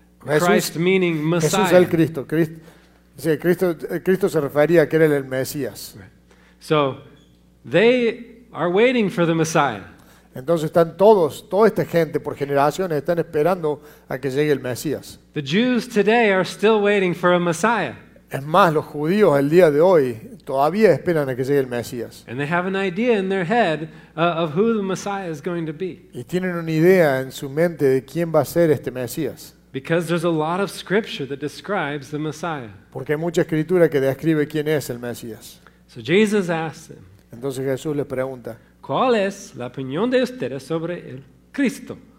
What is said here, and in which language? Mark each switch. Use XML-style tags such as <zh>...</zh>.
<en>Christ meaning</en> <es>Jesús</es> <en>Messiah.</en> <es>el Cristo. Cristo, sí, Cristo se refería a que era el Mesías.</es> <en>So, they are waiting for the Messiah.</en> <es>Entonces están todos, toda esta gente por generaciones están esperando a que llegue el Mesías.</es> <en>The Jews today are still waiting for a Messiah.</en> <es>Es más, los judíos el día de hoy todavía esperan a que llegue el Mesías.</es> <en>And they have an idea in their head of who the Messiah is going to be.</en> <es>Y tienen una idea en su mente de quién va a ser este Mesías.</es> <en>Because there's a lot of scripture that describes the Messiah.</en> <es>Porque hay mucha escritura que describe quién es el Mesías.</es> <en>So Jesus asks them.</en> <es>Entonces Jesús les pregunta: ¿Cuál es la opinión de ustedes sobre el Cristo?</es>